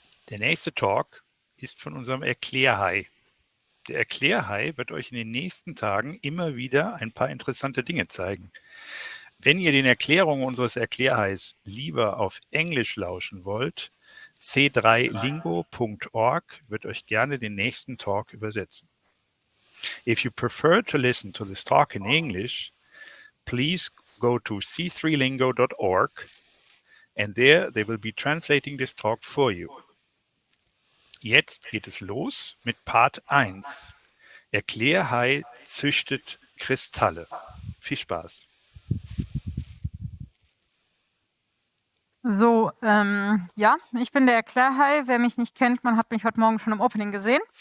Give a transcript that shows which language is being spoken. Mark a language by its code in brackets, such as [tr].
[de] Der nächste Talk ist von unserem Erklärhai. Der Erklärhai wird euch in den nächsten Tagen immer wieder ein paar interessante Dinge zeigen. Wenn ihr den Erklärungen unseres Erklärhais lieber auf Englisch lauschen wollt, c3lingo.org wird euch gerne den nächsten Talk übersetzen. [en] If you prefer to listen to this talk in English, please go to c3lingo.org and there they will be translating this talk for you. [de] Jetzt geht es los mit Part 1. Erklärhai züchtet Kristalle. Viel Spaß. So, ich bin der Erklärhai. Wer mich nicht kennt, man hat mich heute Morgen schon im Opening gesehen.